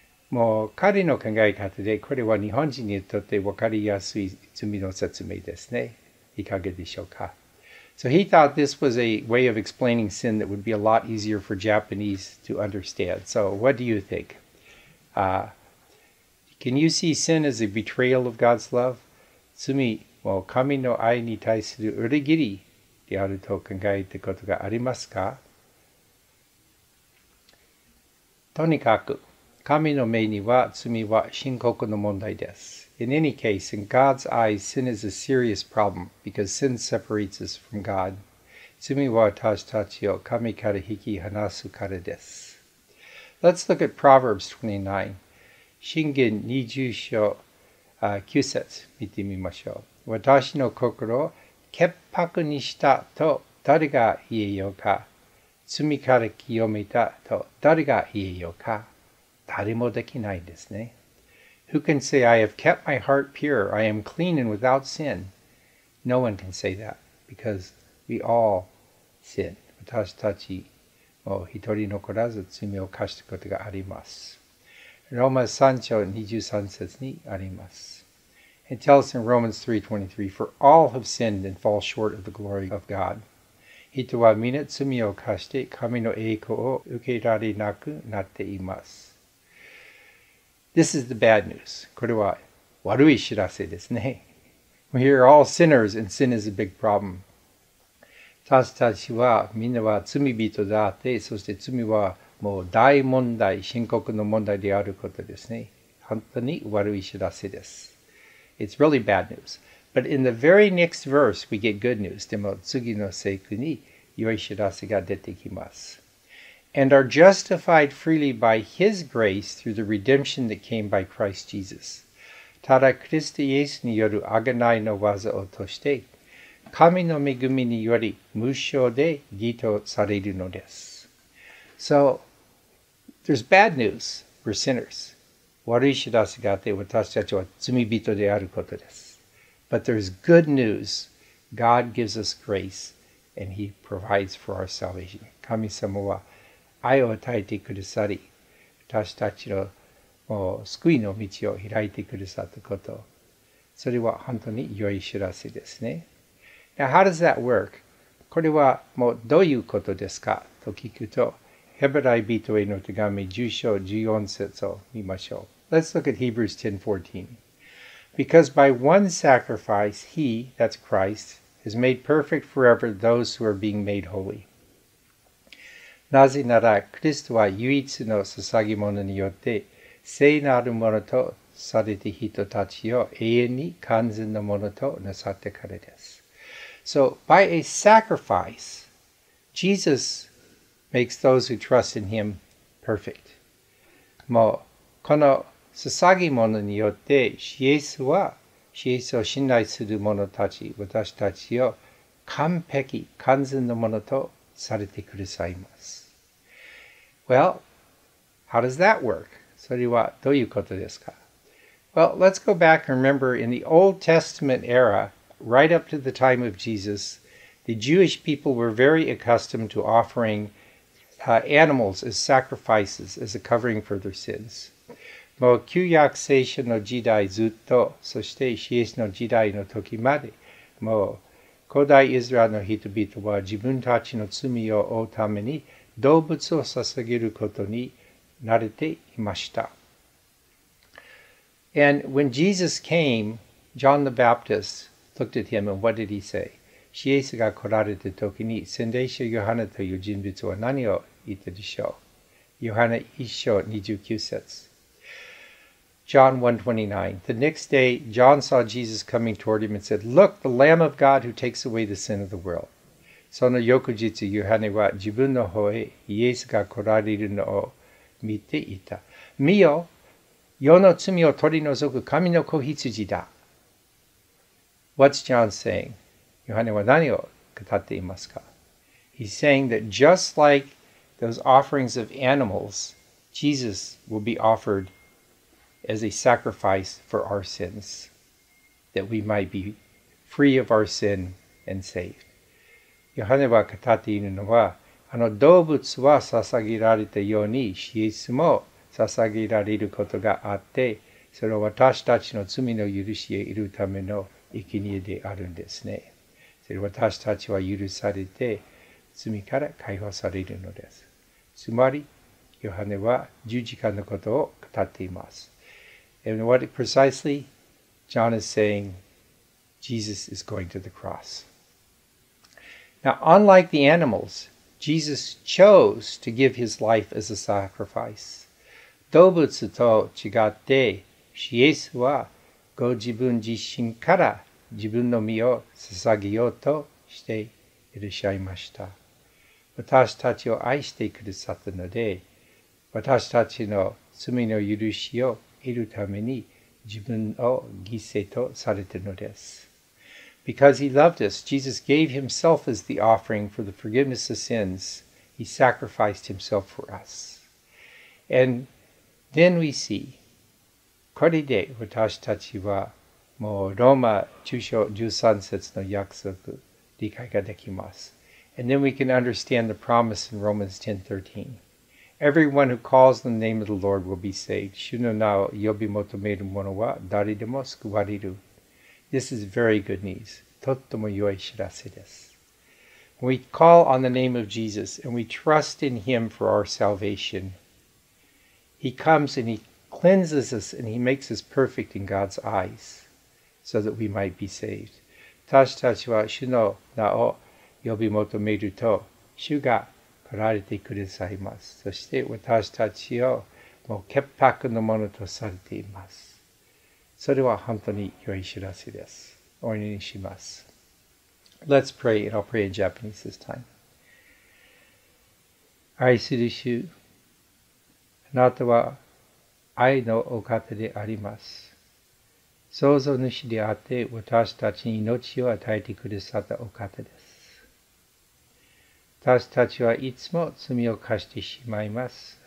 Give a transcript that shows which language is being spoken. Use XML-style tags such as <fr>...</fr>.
<ja>もう彼の考え方でこれは日本人にとって分かりやすい罪の説明ですね。いかがでしょうか。</ja> <en>So he thought this was a way of explaining sin that would be a lot easier for Japanese to understand. So what do you think? Can you see sin as a betrayal of God's love?</en> <ja>罪も神の愛に対する裏切りであると考えたことがありますか？とにかく、神の目には罪は深刻な問題です。</ja> <en>In any case, in God's eyes, sin is a serious problem because sin separates us from God.</en> <ja>罪は私たちを神から引き離すからです。</ja> <en>Let's look at Proverbs 29.</en> <ja>箴言二十章九節見てみましょう。私の心を潔白にしたと誰が言えようか。罪から清めたと誰が言えようか。誰もできないですね。</ja> <en>Who can say, I have kept my heart pure, I am clean and without sin? No one can say that because we all sin.</en> <ja>私たちもう一人残らず罪を犯したことがあります。ローマ3章23節にあります。</ja> <en>It tells in Romans 3:23, For all have sinned and fall short of the glory of God.</en> <ja>人は皆罪を犯して神の栄光を受けられなくなっています。</ja> <en>This is the bad news.</en> <ja>これは悪い知らせですね。</ja> <en>We are all sinners and sin is a big problem.</en> <ja>私たちはみんなは罪人であって、そして罪はもう大問題、深刻の問題であることですね。本当に悪い知らせです。</ja> <en>It's really bad news. But in the very next verse, we get good news.</en> <ja>でも次の聖句に良い知らせが出てきます。</ja> <en>And are justified freely by His grace through the redemption that came by Christ Jesus.</en> <ja>ただ、クリストイエスによる贖いの業を通して、神の恵みにより無償で義とされるのです。</ja> <en>So, there's bad news. We're sinners.</en> <ja>悪い知らせがあって、私たちは罪人であることです。</ja> <en>But there's good news. God gives us grace, and He provides for our salvation.</en> <ja>神様は愛を与えてくださり、私たちのもう救いの道を開いてくださったこと。それは本当に良い知らせですね。</ja> <en>Now, how does that work?</en> <ja>これはもうどういうことですかと聞くと、ヘブライ人への手紙10章14節を見ましょう。</ja> <en>Let's look at Hebrews 10:14. Because by one sacrifice, He, that's Christ, has made perfect forever those who are being made holy.</en> <ja>なぜなら、クリストは唯一の捧げ物によって、聖なるものとされた人たちを永遠に完全なものとなさってからです。</ja> <en>So, by a sacrifice, Jesus makes those who trust in Him perfect.</en> <ja>もう、この捧げ物によって、イエスは、イエスを信頼する者たち、私たちを完璧、完全のものとされてくださいます。</ja> <en>Well, how does that work?</en> <ja>それはどういうことですか?</ja> <en>Well, let's go back and remember in the Old Testament era, right up to the time of Jesus, the Jewish people were very accustomed to offering animals as sacrifices, as a covering for their sins.</en> <ja>もう旧約聖書の時代ずっと、そして新約の時代の時まで、もう古代イスラエルの人々は自分たちの罪を負うために動物を捧げることに慣れていました。</ja> <en>And when Jesus came, John the Baptist looked at him and what did he say?</en> <ja>シエスが来られた時に、洗礼者ヨハネという人物は何を言ったでしょう？ヨハネ1章29節。</ja> <en>John 1:29. The next day, John saw Jesus coming toward him and said, Look, the Lamb of God who takes away the sin of the world.</en> <ja>その翌日、ヨハネは自分の方へイエスが来られるのを見ていた。見よ、世の罪を取り除く神の子羊だ。</ja> <en>What's John saying?</en> <ja>ヨハネは何を語っていますか?</ja> <en>He's saying that just like those offerings of animals, Jesus will be offeredas a sacrifice for our sins, that we might be free of our sin and saved.</en> <ja>ヨハネは語っているのは、あの動物は捧げられたように、イエスも捧げられることがあって、それは私たちの罪の許しへいるための生贄であるんですね。それは私たちは許されて、罪から解放されるのです。つまり、ヨハネは十字架のことを語っています。</ja> <en>And what precisely John is saying, Jesus is going to the cross. Now, unlike the animals, Jesus chose to give his life as a sacrifice.</en> <ja>動物と違って、イエスはご自分自身から自分の身を捧げようとしていらっしゃいました。私たちを愛してくださったので、私たちの罪の許しをいるために自分を犠牲とされているのです。</ja> <en>Because he loved us, Jesus gave himself as the offering for the forgiveness of sins. He sacrificed himself for us. And then we see,</en> <ja>これで私たちはもうローマ中書13節の約束理解ができます。</ja> <en>And then we can understand the promise in Romans 10:13. Everyone who calls the name of the Lord will be saved.</en> <ja>主の名を呼び求める者は誰でも救われる。</ja> <en>This is very good news.</en> <ja>とっても良い知らせです。</ja> <en>We call on the name of Jesus and we trust in him for our salvation. He comes and he cleanses us and he makes us perfect in God's eyes so that we might be saved.</en> <ja>私たちは主の名を呼び求めると、主が来られてくださいます。そして私たちをもう潔白のものとされています。それは本当に良い知らせです。お祈りします。</ja> <en>Let's pray, and I'll pray in Japanese this time.</en> <ja>愛する主、あなたは愛のお方であります。創造主であって私たちに命を与えてくださったお方です。私たちはいつも罪を犯してしまいます。</ja>